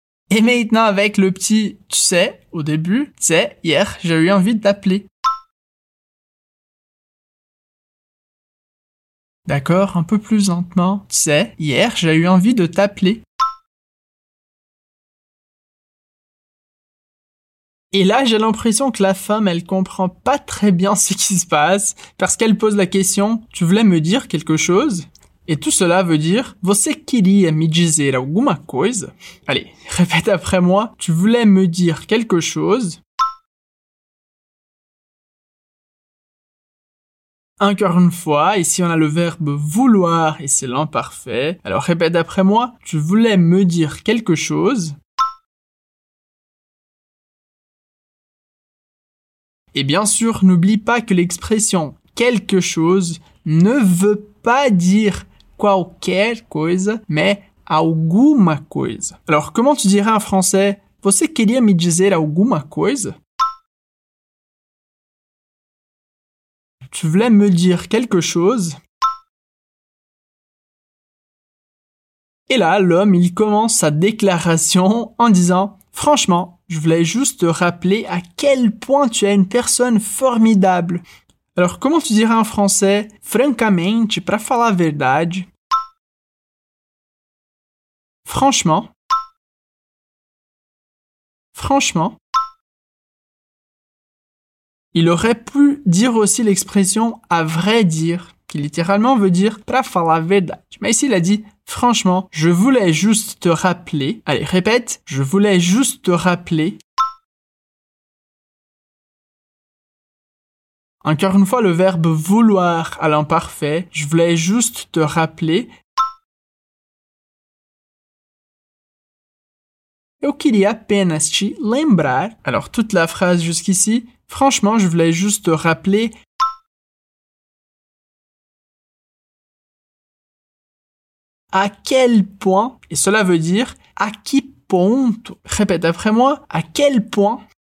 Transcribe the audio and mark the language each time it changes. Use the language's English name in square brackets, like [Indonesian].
[French] Et maintenant avec le petit « tu sais » au début, « tu sais, hier, j'ai eu envie de t'appeler. » D'accord, un peu plus lentement. « Tu sais, hier, j'ai eu envie de t'appeler. » Et là, j'ai l'impression que la femme, elle comprend pas très bien ce qui se passe, parce qu'elle pose la question « Tu voulais me dire quelque chose ?» Et tout cela veut dire « [Portuguese] Você queria me dizer alguma coisa ?» [French] Allez, répète après moi. « Tu voulais me dire quelque chose ?» Encore une fois, ici on a le verbe « vouloir » et c'est l'imparfait. Alors répète après moi. « Tu voulais me dire quelque chose ?» Et bien sûr, n'oublie pas que l'expression « quelque chose » ne veut pas dire « [Portuguese] qualquer coisa, [French] mais [Portuguese] alguma coisa. [French] Alors, comment tu dirais en français « [Portuguese] Você queria me dizer alguma coisa ?» [French] Tu voulais me dire quelque chose ? Et là, l'homme, il commence sa déclaration en disant « Franchement, je voulais juste te rappeler à quel point tu es une personne formidable. » Alors, comment tu dirais en français « [Portuguese] Francamente, para falar a verdade [French] ?» Franchement. Franchement. Il aurait pu dire aussi l'expression à vrai dire, qui littéralement veut dire [Portuguese] pra falar verdade. [French] Mais ici, il a dit franchement, je voulais juste te rappeler. Allez, répète, je voulais juste te rappeler. Encore une fois, le verbe vouloir à l'imparfait, je voulais juste te rappeler. [Portuguese] Eu queria apenas te lembrar. [French] Alors, toute la phrase jusqu'ici. Franchement, je voulais juste te rappeler. À quel point. Et cela veut dire [Portuguese] à qui ponto. [French] Répète après moi. À quel point.